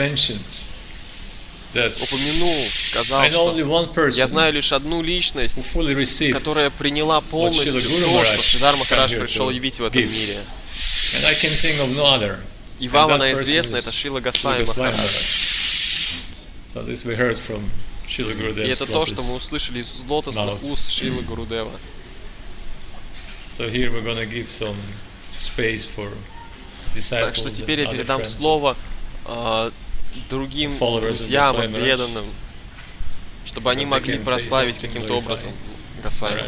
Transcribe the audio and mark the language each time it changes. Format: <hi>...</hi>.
<ru>упомянул, сказал, что я знаю лишь одну личность, которая приняла полностью то, что Шридхар Махарадж пришел явить в этом мире.</ru> <en>And I can think of no other.</en> <ru>И вам она известна, это Шрила Госвами Махарадж.</ru> <en>So this we heard from Шрила Гурудева.</en> <ru>И это то, что мы услышали из лотосных уст Шрилы Гурудева.</ru> <en>So here we're going to give some space for disciples.</en> <ru>Так что теперь я передам слово другим друзьям, преданным, чтобы они могли прославить каким-то образом Госвами</ru>